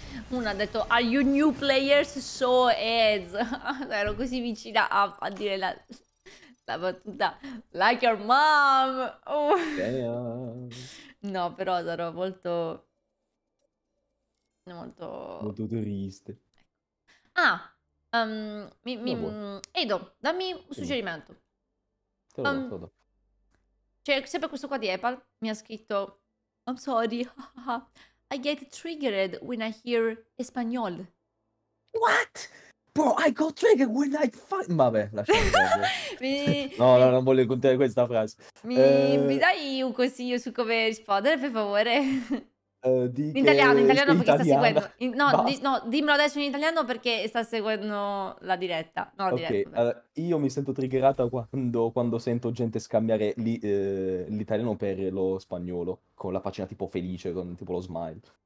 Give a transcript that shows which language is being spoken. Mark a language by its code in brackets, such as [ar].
[it] Una ha detto: [en] are you new players? So as. [it] Ero così vicina a dire la... la battuta, [en] like your mom. Oh. [it] No, però sarò molto. Molto. Molto triste. Ah, Edo, dammi un suggerimento. C'è sempre questo qua di Apple. Mi ha scritto: [en] I'm sorry. I get triggered when I hear espanol. What? Bro, I got triggered when I fight. [it] Vabbè, lasciamo. No, non voglio contare questa frase. Mi dai un consiglio su come rispondere, per favore? Di in italiano, perché sta seguendo. Dimmelo adesso in italiano perché sta seguendo la diretta. No, la [en] okay, [it] diretta. Io mi sento triggerata quando sento gente scambiare l'italiano per lo spagnolo, con la faccina tipo felice, con tipo lo smile.